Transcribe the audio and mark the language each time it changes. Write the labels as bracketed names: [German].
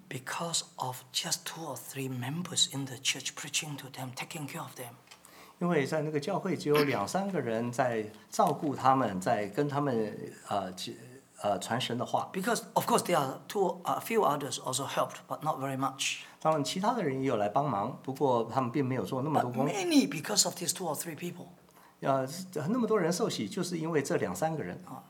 [English] Because of just two or three members in the church preaching to them, taking care of them [Chinese] 因为在那个教会只有两三个人在照顾他们，在跟他们传神的话。 [English] Because of course there are two a few others also helped, but not very much. [Chinese] 当然，其他的人也有来帮忙，不过他们并没有做那么多工。 [English] But many because of these two or three people. [Chinese] 那么多人受洗，就是因为这两三个人。